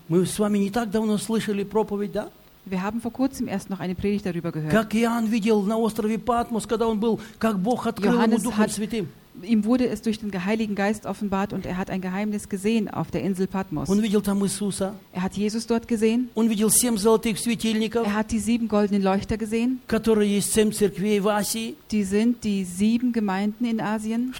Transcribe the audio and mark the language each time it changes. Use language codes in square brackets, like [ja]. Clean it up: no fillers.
[ru] Мы с вами не так давно слышали проповедь, да? [de] Wir haben vor kurzem erst noch eine Predigt darüber gehört. [ru] Иоанн видел на острове Патмос, когда он был, как Бог открыл ему Духом Святым. [de] Ihm wurde es durch den Heiligen Geist offenbart und er hat ein Geheimnis gesehen auf der Insel Patmos. Er hat Jesus dort gesehen. Er hat die sieben goldenen Leuchter gesehen. Die sind die sieben Gemeinden in Asien.